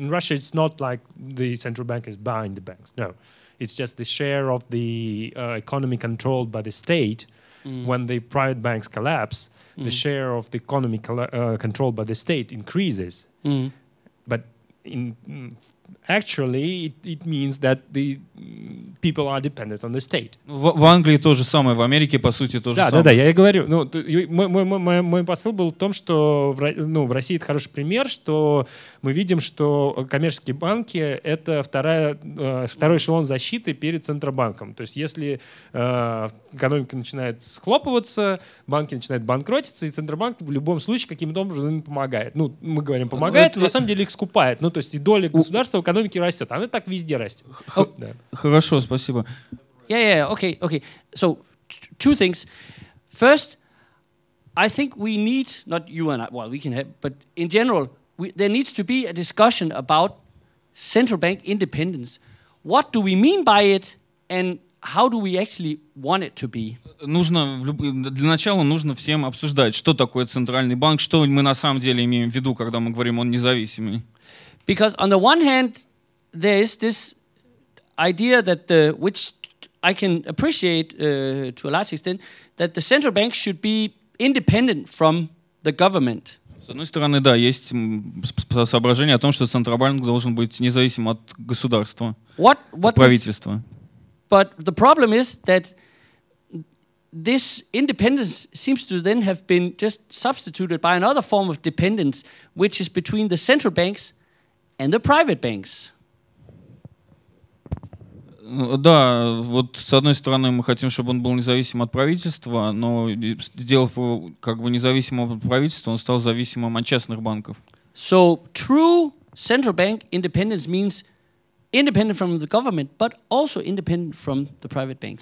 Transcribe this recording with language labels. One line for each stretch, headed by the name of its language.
English: In Russia, it's not like the central bank is buying the banks. No, it's just the share of the economy controlled by the state. Mm. When the private banks collapse, the share of the economy controlled by the state increases. Mm. But in actually, it means that the people are dependent on the state.
Russian: В Англии то же самое, в Америке по сути то же самое. Да, я говорю. Ну, мой посыл был в том, что в России это хороший пример, что мы видим, что коммерческие банки — это второй эшелон защиты перед Центробанком. То есть если экономика начинает схлопываться, банки начинают банкротиться, и Центробанк в любом случае каким-то образом им помогает. Ну, мы говорим «помогает», на самом деле их скупает. Ну, то есть и доля государства в экономике растет. Она так везде растет. Хорошо, спасибо.
English: Okay. So, two things. First, I think we need, not you and I, well, we can have, but in general, there needs to be a discussion about central bank independence. What do we mean by it, and how do we actually want it to be?
Russian: Для начала нужно всем обсуждать, что такое центральный банк, что мы на самом деле имеем в виду, когда мы говорим, он независимый.
English: Because on the one hand, there is this idea that which I can appreciate to a large extent, that the central bank should be independent from the government.
Russian: С одной стороны, да, есть соображение о том, что центробанк должен быть независим от государства, от правительства.
English: But the problem is that this independence seems to then have been just substituted by another form of dependence, which is between the central banks and the private banks.
Russian: Да, вот с одной стороны мы хотим, чтобы он был независим от правительства, но сделав его как бы независимым от правительства, он стал зависимым от частных банков.
English: So true central bank independence means independent from the government, but also independent from the private banks.